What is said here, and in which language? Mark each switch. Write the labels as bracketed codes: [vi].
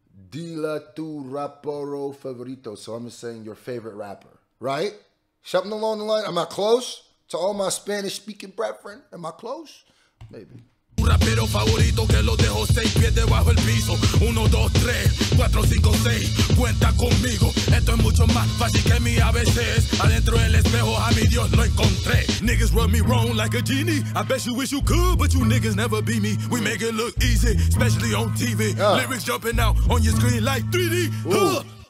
[es] Dila tu rapero favorito. [en] So I'm just saying your favorite rapper, right? Something along the line. Am I close to all my Spanish speaking brethren? Am I close? Maybe. [es] Rapero favorito que lo dejo seis pies debajo el piso. Uno, dos, tres, cuatro, cinco, seis. Cuenta conmigo. Esto es mucho más fácil que mi ABC. Adentro del espejo a mi Dios lo encontré. [en] Niggas rub me wrong like a genie. I bet you wish you could, but you niggas never be me. We make it look easy, especially on TV. Lyrics jumping out on your screen like 3D.